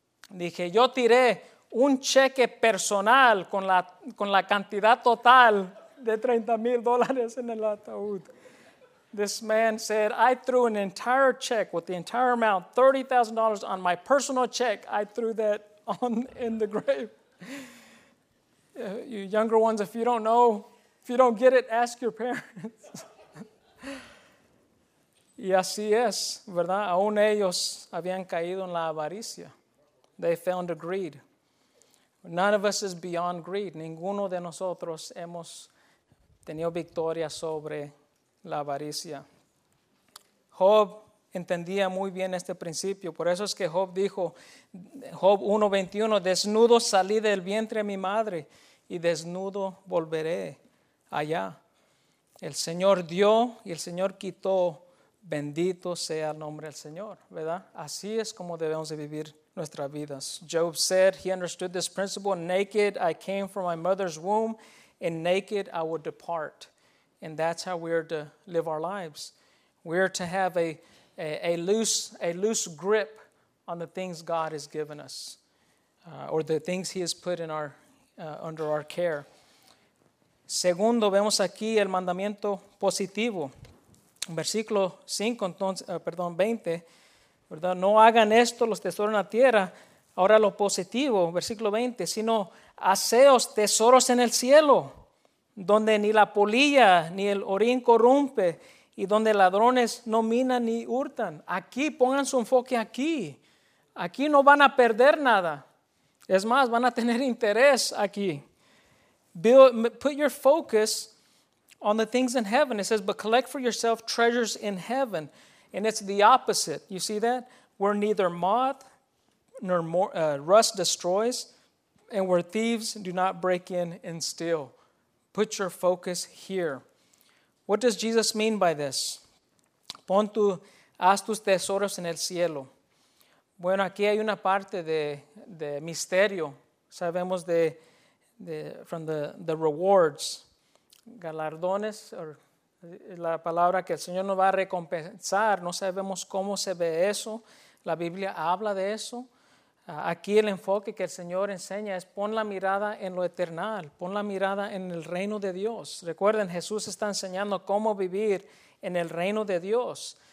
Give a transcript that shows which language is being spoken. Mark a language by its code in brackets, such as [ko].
[es] Dije, yo tiré un cheque personal con la cantidad total de $30,000 en el ataúd. [en] This man said, I threw an entire check with the entire amount, $30,000 on my personal check. I threw that in the grave. You younger ones, if you don't know, if you don't get it, ask your parents. [es] Y así es, ¿verdad? Aún ellos habían caído en la avaricia. [en] They fell into greed. None of us is beyond greed. [es] Ninguno de nosotros hemos tenido victoria sobre la avaricia. Job entendía muy bien este principio. Por eso es que Job dijo, Job 1:21, desnudo salí del vientre de mi madre y desnudo volveré allá. El Señor dio y el Señor quitó. Bendito sea el nombre del Señor, ¿verdad? Así es como debemos de vivir nuestras vidas. [en] Job said he understood this principle. Naked I came from my mother's womb, and naked I will depart. And that's how we are to live our lives. We are to have a loose grip on the things God has given us, or the things He has put in our under our care. [es] Segundo, vemos aquí el mandamiento positivo. Versículo 5, 20, ¿verdad? No hagan esto los tesoros en la tierra Ahora lo positivo, versículo 20, sino haceos tesoros en el cielo, donde ni la polilla ni el orín corrompe y donde ladrones no minan ni hurtan. Aquí, pongan su enfoque aquí. Aquí no van a perder nada. Es más, van a tener interés aquí. [en] Put your focus on the things in heaven. It says, but collect for yourself treasures in heaven. And it's the opposite. You see that? Where neither moth nor rust destroys, and where thieves do not break in and steal. Put your focus here. What does Jesus mean by this? [es] Pon tu, haz tus tesoros en el cielo. Bueno, aquí hay una parte de misterio. Sabemos [en] from the rewards. [es] Galardones, [en] or [es] la palabra que el Señor nos va a recompensar. No sabemos cómo se ve eso. La Biblia habla de eso. Aquí el enfoque que el Señor enseña es pon la mirada en lo eternal. Pon la mirada en el reino de Dios. Recuerden, Jesús está enseñando cómo vivir en el reino de Dios.